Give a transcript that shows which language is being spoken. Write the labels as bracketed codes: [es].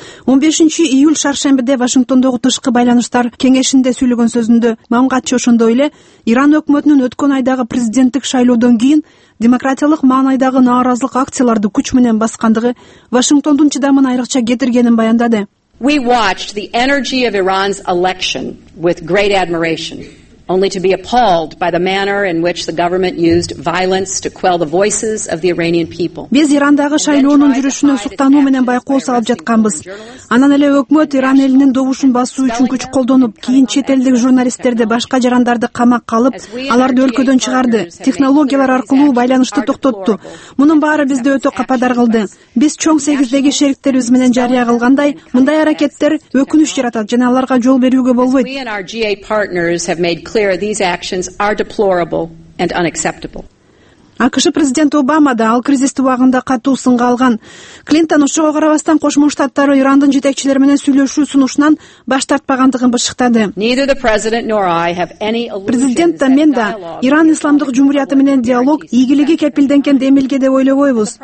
[ky] 15-июль шаршембиде Вашингтондогу тышкы байланыштар кеңешинде сүйлөгөн сөзүндө мамкатчы ошондой эле Иран өкмөтүнүн өткөн айдагы президенттик шайлоодон кийин демократиялык маанайдагы нааразылык акцияларды күч менен баскандыгы Вашингтондун чыдамын айрыкча кетиргенин баяндады. [en] We watched the energy of Iran's election with great admiration, only to be appalled by the manner in which the government used violence to quell the voices of the Iranian people. [ky] Биз Ирандагы шайлоонун жүрүшүнө суктануу менен байкоо салып жатканбыз. Анан эле өкмөт Иран элинин добушун басуу үчүн күч колдонуп, кийин чет элдик журналисттерди, башка жарандарды камакка алып, аларды өлкөдөн чыгарды. Технологиялар аркылуу байланышты токтотту. Мунун баары бизди өтө кападар кылды. Биз чоң 8-деги шериктерибиз менен жария кылгандай, мындай аракеттер өкүнүч жаратат жана аларга жол берүүгө болбойт. [en] Clear these actions are deplorable and unacceptable. [ky] АКШ президенти Обама да ал кризисти убагында катуу сынга алган. Клинтон ошого карабастан Кошмо Штаттары Ирандын жетекчилери менен сүйлөшүү сунушунан баш тартпагандыгын бышыктады. Президент да мен да Иран исламдык жумурияты менен диалог ийгилиги кепилденген демилге деп ойлобойбуз.